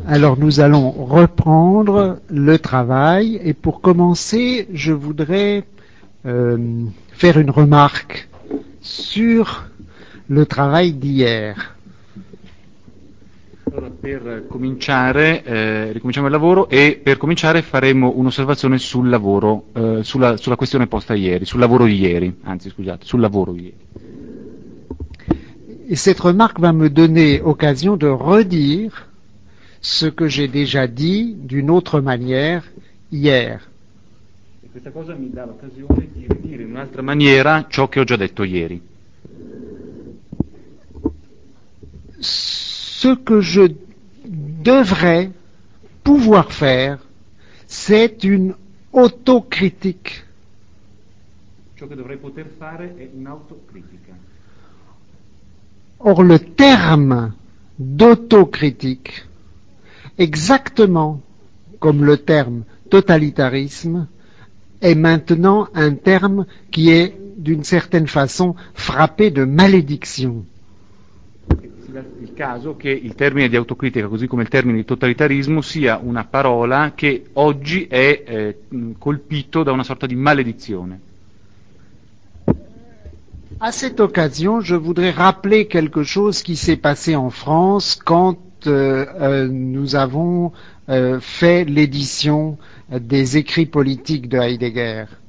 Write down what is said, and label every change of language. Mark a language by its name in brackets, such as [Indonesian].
[French] Alors, nous allons reprendre le travail et pour commencer, je voudrais faire une remarque sur le travail d'hier. [Italian] Allora, per cominciare, ricominciamo il lavoro e per cominciare faremo un'osservazione sul lavoro, sulla questione posta ieri, sul lavoro di ieri, anzi scusate, sul lavoro di ieri. [French] Et cette remarque va me donner occasion de redire ce que j'ai déjà dit d'une autre manière hier. [Italian] E questa cosa mi dà l'occasione di ridire in un'altra maniera ciò che ho già detto ieri. [French] Ce que je devrais pouvoir faire, c'est une autocritique. [Italian] Ciò che dovrei poter fare è un'autocritica. [French] Or, le terme d'autocritique, exactement comme le terme totalitarisme, est maintenant un terme qui est, d'une certaine façon, frappé de malédiction. [Italian] Il caso che il termine di autocritica, così come il termine di totalitarismo, sia una parola che oggi è colpito da una sorta di maledizione. [French] À cette occasion, je voudrais rappeler quelque chose qui s'est passé en France quand nous avons fait l'édition des écrits politiques de Heidegger.